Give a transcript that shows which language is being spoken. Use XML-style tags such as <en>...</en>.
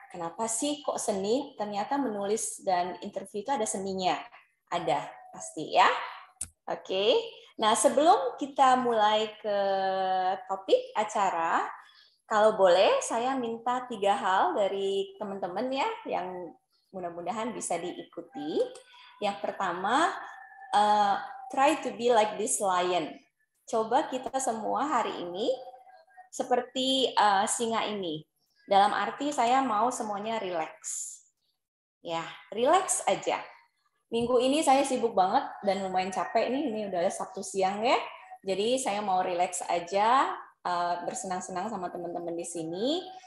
<id>Kenapa sih kok seni? Ternyata menulis dan interview itu ada seninya. Ada pasti ya. Oke. Nah, sebelum kita mulai ke topik acara, kalau boleh saya minta tiga hal dari teman-teman ya yang mudah-mudahan bisa diikuti.</id> <en>Yang pertama, try to be like this lion.</en> <id>Coba kita semua hari ini seperti singa ini. Dalam arti saya mau semuanya relax. Ya, relax aja. Minggu ini saya sibuk banget dan lumayan capek nih. Ini udah Sabtu siang ya. Jadi saya mau relax aja, bersenang-senang sama teman-teman di sini.</id>